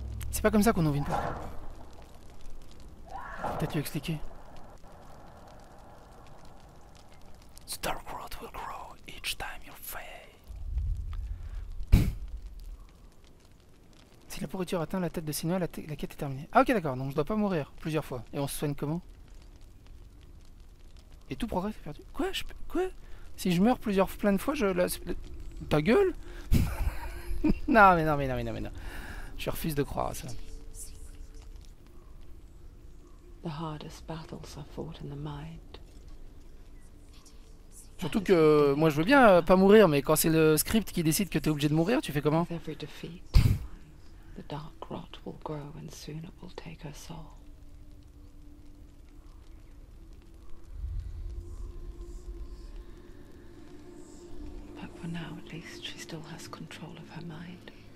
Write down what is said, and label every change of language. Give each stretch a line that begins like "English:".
French: C'est pas comme ça qu'on ouvre une porte. Peut-être lui expliquer.
English: The dark world will grow each time you fail.
French: Si la pourriture atteint la tête de Sinoa, la quête est terminée. Ah ok, d'accord, donc je dois pas mourir plusieurs fois. Et on se soigne comment? Et tout progrès est perdu. Quoi? Si je meurs plusieurs plein de fois, ta gueule. Non. Je refuse de croire à ça.
English: The hardest battles are fought in the mind.
French: Surtout que moi je veux bien pas mourir, mais quand c'est le script qui décide que t'es obligé de mourir, tu fais comment?
English: With every defeat, the dark rot will grow and soon it will take her soul. But for now at least she still has control of her mind.